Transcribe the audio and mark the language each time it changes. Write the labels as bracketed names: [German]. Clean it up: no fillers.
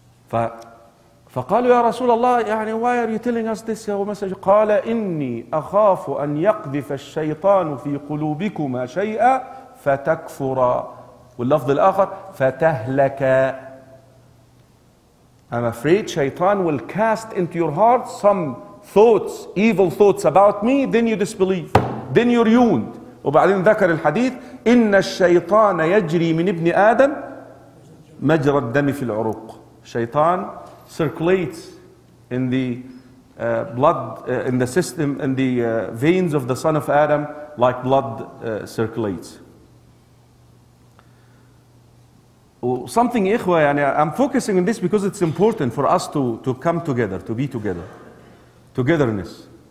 [Arabic] فقالوا يا رسول الله, يعني [English] why are you telling us this, [Arabic] يا messenger؟ قال إني أخاف أن يقذف الشيطان في قلوبكما شيئا فتكفر, واللفظ الآخر فتهلك. [English] I'm afraid Shaitan will cast into your heart some thoughts, evil thoughts about me, then you disbelieve, then you're ruined. [Arabic] وبعدين ذكر الحديث, إن الشيطان يجري من ابن آدم مجرى الدم في العروق. [English] Shaitan circulates in the blood, in the system, in the veins of the son of Adam, like blood circulates. Something, ikhwa, yani I'm focusing on this because it's important for us to come together, to be together. Togetherness.